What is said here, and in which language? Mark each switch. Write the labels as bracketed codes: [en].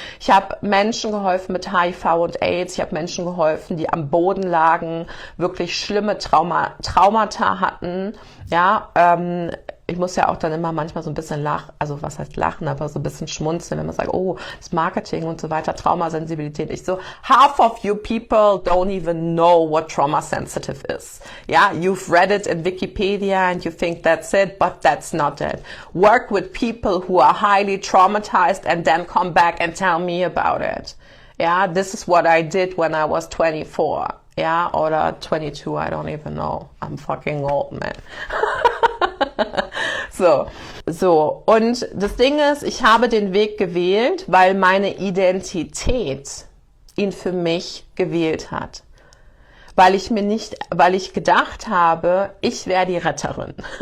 [de] Ich habe Menschen geholfen mit HIV und AIDS. Ich habe Menschen geholfen, die am Boden lagen, wirklich schlimme Traumata hatten. Ja. Ich muss ja auch dann immer manchmal so ein bisschen lachen, also was heißt lachen, aber so ein bisschen schmunzeln, wenn man sagt, oh, das Marketing und so weiter, Traumasensibilität. Ich so, [en] half of you people don't even know what trauma sensitive is. Ja, yeah, you've read it in Wikipedia and you think that's it, but that's not it. Work with people who are highly traumatized and then come back and tell me about it. Yeah, this is what I did when I was 24. Yeah, [de] oder 22, [en] I don't even know. I'm fucking old, man. [de] So, und das Ding ist, ich habe den Weg gewählt, weil meine Identität ihn für mich gewählt hat. weil ich gedacht habe, ich wäre die Retterin.